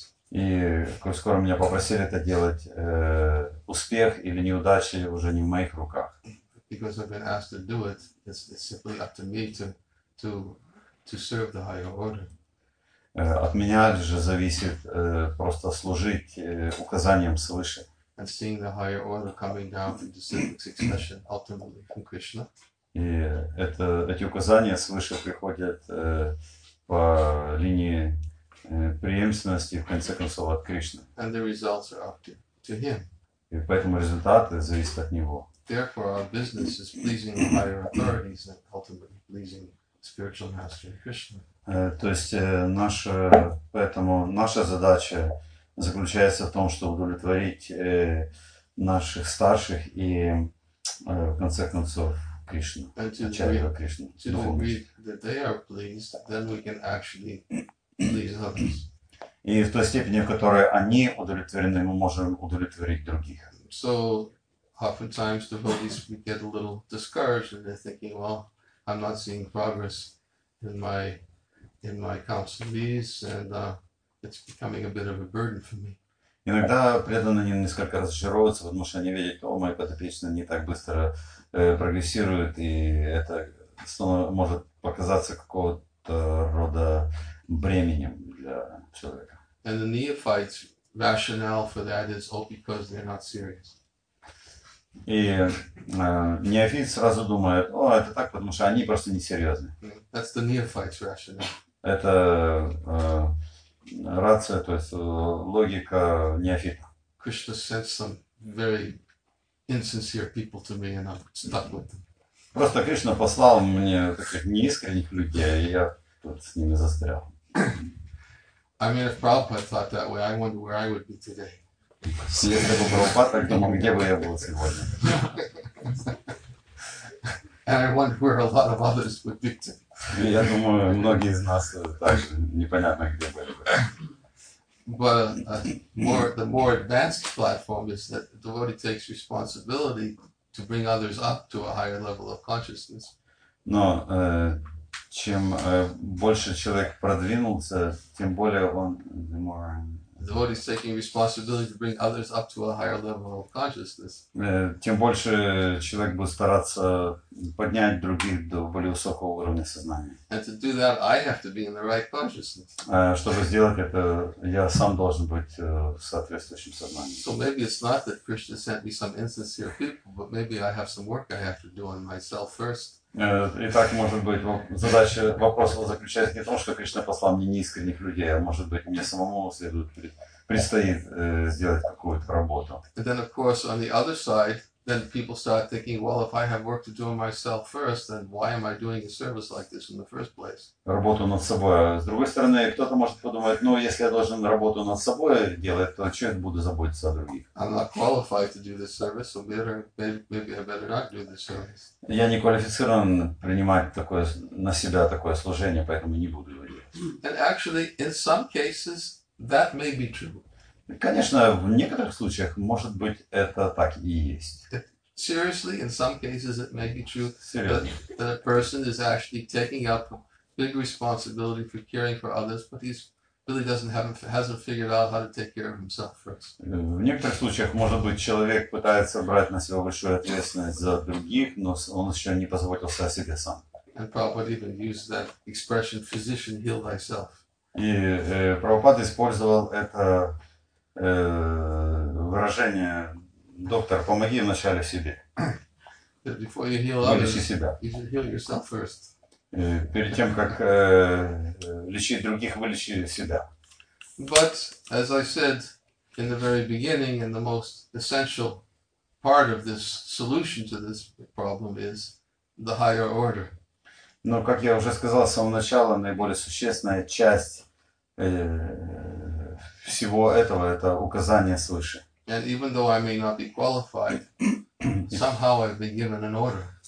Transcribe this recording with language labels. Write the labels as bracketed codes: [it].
[ru] И скоро меня попросили это делать, успех или неудача уже не в моих руках. [en] Because I've been asked to do it, it's simply up to me to serve the higher order. [ru] От меня же зависит просто служить указаниям свыше. [en] And seeing the higher order coming down in descendant succession ultimately from Krishna. [ru] И это, эти указания свыше приходят по линии преемственности, в конце концов, от Кришны. [en] And the results are up to him. [ru] И поэтому результаты зависят от него. [en] Therefore, our business is pleasing the higher authorities and ultimately pleasing spiritual master Krishna. [ru] То есть наша, поэтому наша задача заключается в том, чтобы удовлетворить наших старших и в конце концов Кришну. Ачарья Кришна. [en] That they are pleased, then we can actually please others. [ru] И в той степени, в которой они удовлетворены, мы можем удовлетворить других. [en] So oftentimes devotees we get a little discouraged and they're thinking, well, I'm not seeing progress in my counselees, and it's becoming a bit of a burden for me. [ru] Иногда преданные несколько разочаровываются, потому что они видят, о, мои подопечные не так быстро прогрессируют, и это может показаться какого-то рода бременем для человека. [en] And the neophyte's rationale for that is, oh, because they're not serious. [ru] И неофит сразу думает, о, это так, потому что они просто не серьезны. [en] That's the neophyte's rationale. [ru] Это рация, то есть логика неофита. [en] Krishna sent some very insincere people to me, and I'm stuck with them. [ru] Просто Кришна послал мне таких неискренних людей, и я тут с ними застрял. [en] I mean, if Prabhupada thought that way, I wonder where I would be today. [ru] Если бы Прабхупада так думал, где бы я был сегодня? [en] And I wonder where a lot of others would be today. [ru] Я думаю, многие из нас также непонятно, где бы я был. [en] But the more advanced platform is that the devotee takes responsibility to bring others up to a higher level of consciousness. [ru] Но чем больше человек продвинулся, тем более он [en] the more. The devotee is taking responsibility to bring others up to a higher level of consciousness. [ru] Тем больше человек будет стараться поднять других до более высокого уровня сознания. [en] And to do that, I have to be in the right consciousness. [ru] Чтобы сделать это, я сам должен быть в соответствующем сознании. [en] So maybe it's not that Krishna sent me some insincere people, but maybe I have some work I have to do on myself first. [ru] Итак, может быть, задача вопроса заключается не в том, что Кришна послал мне неискренних людей, а может быть, мне самому предстоит сделать какую-то работу. [en] And then, of course, on the other side, then people start thinking, well, if I have work to do myself first, then why am I doing a service like this in the first place? [ru] Работу над собой. С другой стороны, кто-то может подумать, ну, если я должен работу над собой делать, то чем я буду заботиться о других? [en] I'm not qualified to do this service, so better, maybe I better not do this service. [ru] Я не квалифицирован принимать такое, на себя такое служение, поэтому не буду его делать. [en] And actually, in some cases, that may be true. [ru] Конечно, в некоторых случаях, может быть, это так и есть. [en] Seriously, in some cases it may be true that a person is actually taking up a big responsibility for caring for others, but he really hasn't figured out how to take care of himself first. [ru] В некоторых случаях, может быть, человек пытается брать на себя большую ответственность за других, но он еще не позаботился о себе сам. [en] And Prabhupada even used that expression, physician, heal thyself. [ru] И Прабхупада использовал это выражение «Доктор, помоги вначале себе». [en] Before you heal others, you should heal yourself first. [ru] Перед тем, как лечить других, вылечи себя. [en] But, as I said in the very beginning, and the most essential part of this solution to this problem is the higher order. [ru] Но, как я уже сказал с самого начала, наиболее существенная часть всего этого – это указание свыше. [en] And even though I may not be qualified, somehow I've been given an order.